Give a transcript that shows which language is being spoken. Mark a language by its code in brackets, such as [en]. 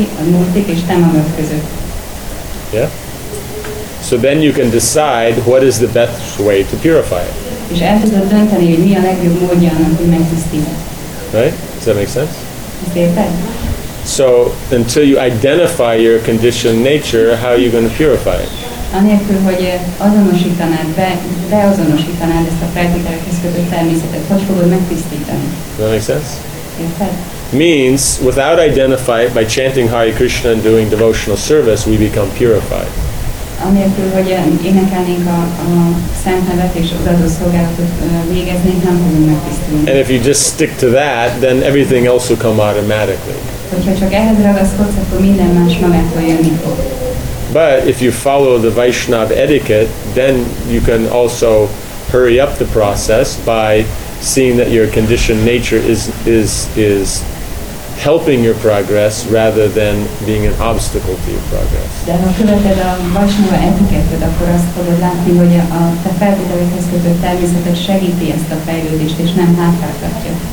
[en] Yeah? So then you can decide what is the best way to purify it. Right? Does that make sense? So until you identify your conditioned nature, how are you going to purify it? [hu] Anélkül, hogy azonosítanád, beazonosítanád ezt a feltételekhez kötött természetet, hogy fogod megtisztítani? [en] Does that make sense? [hu] Érted? [en] Means, without identifying, by chanting Hare Krishna and doing devotional service, we become purified. [hu] Anélkül, hogy énekelnénk a szent nevet és odaadó szolgálatot végeznénk, nem fogunk megtisztulni. [en] And if you just stick to that, then everything else will come automatically. [hu] Hogyha csak ehhez ragaszkodsz, akkor minden más magától jönni fog. [en] But if you follow the Vaishnava etiquette, then you can also hurry up the process by seeing that your conditioned nature is helping your progress rather than being an obstacle to your progress. [hu] De ha követed a Vaishnava etikettet, akkor azt fogod látni, hogy a feltételekhez kötött természetet segíti ezt a fejlődést, és nem hátráltatja.